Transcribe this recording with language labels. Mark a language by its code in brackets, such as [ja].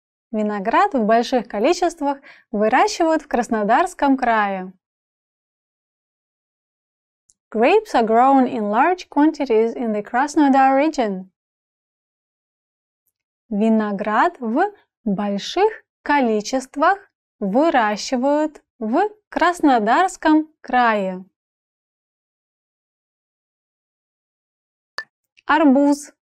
[ru] Виноград в больших количествах выращивают в Краснодарском крае. [en] Grapes are grown in large quantities in the Krasnodar region. [ru] Виноград в больших количествах выращивают в Краснодарском крае. Арбуз.